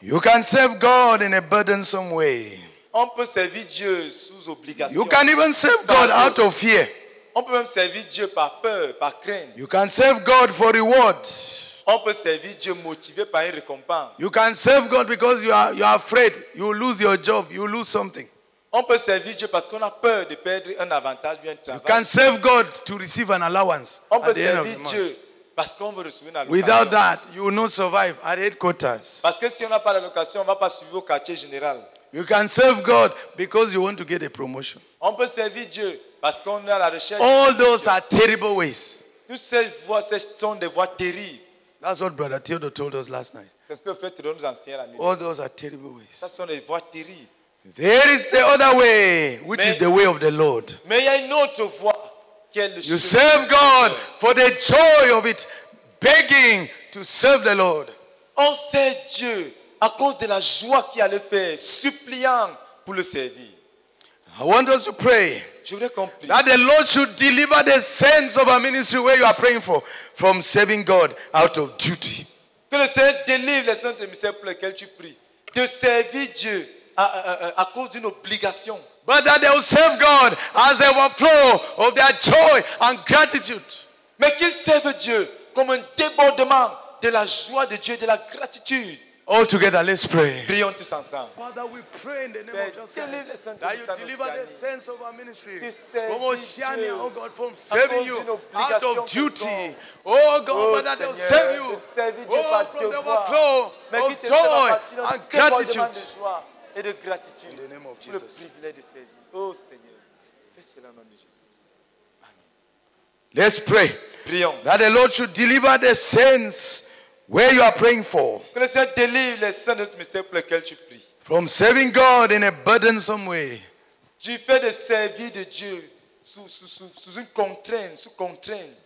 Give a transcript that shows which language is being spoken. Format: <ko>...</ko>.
<en>You can serve God in a burdensome way.</en> <fr>On peut servir Dieu sous obligation.</fr> <en>You can even serve God out of fear.</en> <fr>On peut même servir Dieu par peur, par crainte.</fr> <en>You can serve God for rewards.</en> <fr>On peut servir Dieu motivé par une récompense.</fr> <en>You can serve God because you are afraid. You will lose your job. You will lose something.</en> <fr>On peut servir Dieu parce qu'on a peur de perdre un avantage ou un travail.</fr> <en>You can serve God to receive an allowance.</en> <fr>On peut servir Dieu parce qu'on veut recevoir une allocation.</fr> <en>Without that, you will not survive at headquarters.</en> <fr>Parce que si on n'a pas l'allocation, on ne va pas survivre au quartier général.</fr> <en>You can serve God because you want to get a promotion.</en> <fr>On peut servir Dieu parce qu'on est à la recherche.</fr> <en>All those are terrible ways.</en> <fr>Toutes ces voies, ces sont des voies terribles.</fr> <en>That's what Brother Theodore told us last night.</en> <fr>C'est ce que Frère Theodore nous enseigne la nuit.</fr> <en>All those are terrible ways.</en> <fr>Ça sont des voies terribles.</fr> <en>There is the other way, which is the way of the Lord.</en> <fr>Mais il y a une autre voie qui est le chemin.</fr> <en>You serve God for the joy of it, begging to serve the Lord.</en> <fr>On sert Dieu à cause de la joie qu'il allait faire, suppliant pour le servir.</fr> <en>I want us to pray that the Lord should deliver the saints of our ministry where you are praying for from serving God out of duty.</en> <fr>Que le Seigneur délivre les saints de ministère pour lesquels tu pries de servir Dieu à cause d'une obligation.</fr> <en>But that they will serve God as a flow of their joy and gratitude.</en> <fr>Mais qu'ils servent Dieu comme un débordement de la joie de Dieu et de la gratitude.</fr> <en>All together, let's pray.</en> <fr>Prions tous ensemble.</fr> <en>Father, we pray in the name of Jesus Christ that you deliver the sense of our ministry. From Oceania, oh God, from serving you out of duty. Oh God, oh, that they will serve you. Oh, from the overflow of joy and gratitude.</en> <fr>Et de gratitude.</fr> <en>In the name of Jesus.</en> <fr>Oh Seigneur, fais cela au nom de Jésus Christ.</fr> <en>Amen. Let's pray.</en> <fr>Prions.</fr> <en>That the Lord should deliver the saints where you are praying for.</en> <fr>Que le Seigneur délivre les saints de notre ministère pour lesquels tu pries.</fr> <en>From serving God in a burdensome way.</en> <fr>Tu fais de servir de Dieu sous une contrainte, sous contrainte.</fr>